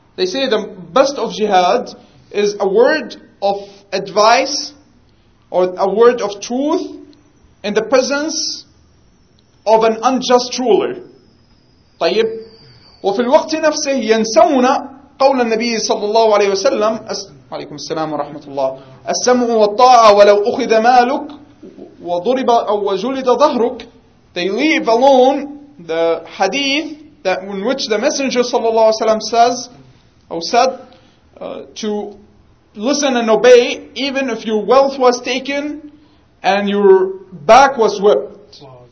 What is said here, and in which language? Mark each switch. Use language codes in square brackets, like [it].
[en] They say the best of jihad is a word of advice or a word of truth in the presence of an unjust ruler. [ar] طيب وفي الوقت نفسه ينسون قول النبي صلى الله عليه وسلم عليكم السلام ورحمة الله السمع والطاعة ولو أخذ مالك وضرب أو جلد ظهرك. [en] They leave alone the hadith that in which the messenger صلى الله عليه وسلم says or said to listen and obey even if your wealth was taken and your back was whipped.